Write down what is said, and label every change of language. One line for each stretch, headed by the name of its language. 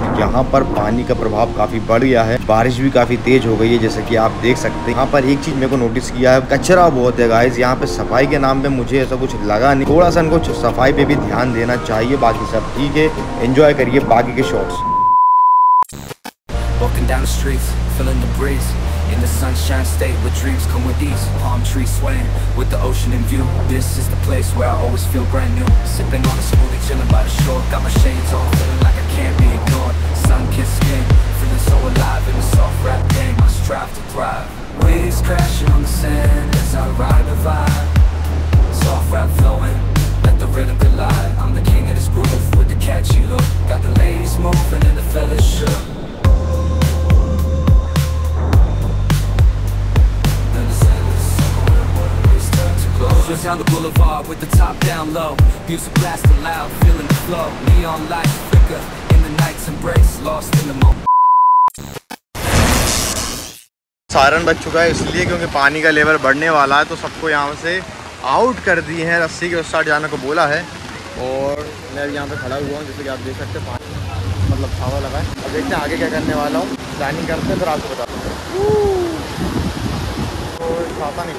Hindi: और यहाँ पर पानी का प्रभाव काफी बढ़ गया है, बारिश भी काफी तेज हो गई है जैसे कि आप देख सकते हैं। यहाँ पर एक चीज मेरे को नोटिस किया है, कचरा बहुत है गाइस। यहाँ पे सफाई के नाम पे मुझे ऐसा कुछ लगा नहीं, थोड़ा सा इनको सफाई पे भी ध्यान देना चाहिए। बाकी सब ठीक है, एंजॉय करिए बाकी के shots.
English: In the sunshine state with dreams come with ease, palm trees swaying with the ocean in view. This is the place where I always feel brand new. Sipping on a smoothie, chilling by the shore. Got my shades on, feeling like I can't be ignored. Sun kissed skin, feeling so alive in a soft rap game. I strive to thrive. Waves crashing on the sand as I ride the vibe. Soft rap flowing, let the rhythm collide. I'm the king of this groove with the catchy look. Got the ladies moving and the fellas shook. Just down the boulevard with the top down low. Music blasting loud, feeling the flow. Neon lights flicker in the night's embrace, lost in the moment.
Hindi: Saran बच चुका है इसलिए क्योंकि पानी का level बढ़ने वाला है, तो सबको यहाँ से आउट कर दिए हैं। रस्सी के उस साइड जाने को बोला है। और मैं अभी यहाँ पे खड़ा हुआ हूँ जैसे कि आप देख सकते हैं, पानी मतलब हवा लगा है। अब देखते हैं आगे क्या करने वाला हूँ। प्लानिंग करते फिर आपको बताता हूँ।